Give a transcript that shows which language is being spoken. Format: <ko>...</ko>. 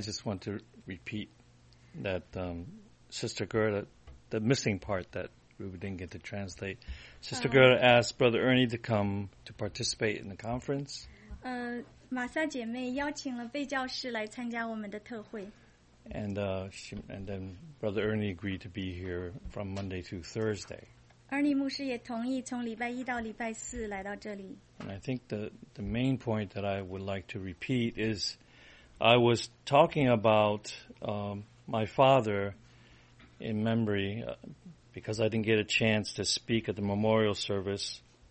<en>just want to repeat that Sister Gerda, the missing part that we didn't get to translate. Sister Gerda asked Brother Ernie to come to participate in the conference.</en> <zh>玛莎姐妹邀请了贝教士来参加我们的特会。</zh> <en>And then Brother Ernie agreed to be here from Monday to Thursday.</en> <zh>而你牧师也同意从礼拜一到礼拜四来到这里。</zh> <en>And I think the main point that I would like to repeat is I was talking about my father in memory because I didn't get a chance to speak at the memorial service.</en>